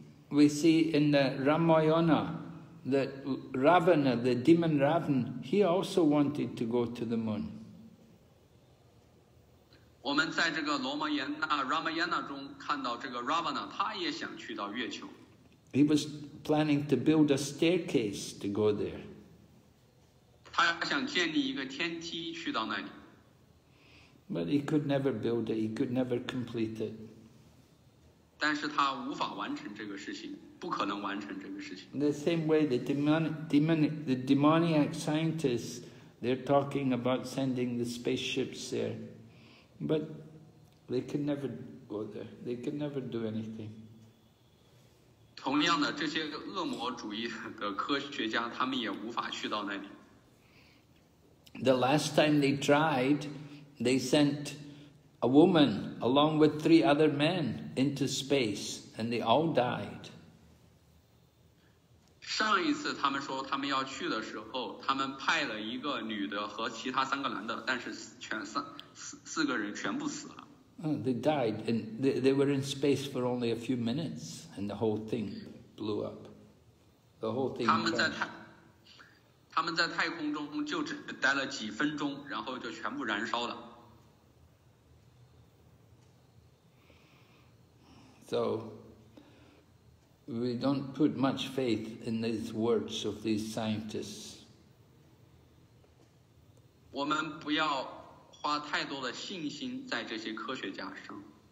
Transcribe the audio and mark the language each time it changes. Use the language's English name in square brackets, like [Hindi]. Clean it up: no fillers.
[English] We see in the Ramayana that Ravana, the demon Ravan, he also wanted to go to the moon. [Chinese] 我们在这个罗摩衍那 Ramayana 中看到这个 Ravana, 他也想去到月球。 [English] He was planning to build a staircase to go there. [Chinese] 他想建立一个天梯去到那里。 [English] But he could never build it. He could never complete it. [Chinese] 但是他无法完成这个事情，不可能完成这个事情。 [English] The same way the demoniac scientists, they're talking about sending the spaceships there, but they can never go there. They can never do anything. [Chinese] 同样的，这些恶魔主义的科学家，他们也无法去到那里。 [English] The last time they tried, they sent. A woman, along with three other men, into space, and they all died. [Chinese] 上一次他们说他们要去的时候，他们派了一个女的和其他三个男的，但是四个人全部死了。 [English] They died, and they were in space for only a few minutes, and the whole thing blew up. The whole thing. [Chinese] 他们在太空中就只待了几分钟，然后就全部燃烧了。 [English] So, we don't put much faith in these words of these scientists. [Chinese] 我们不要花太多的信心在这些科学家上。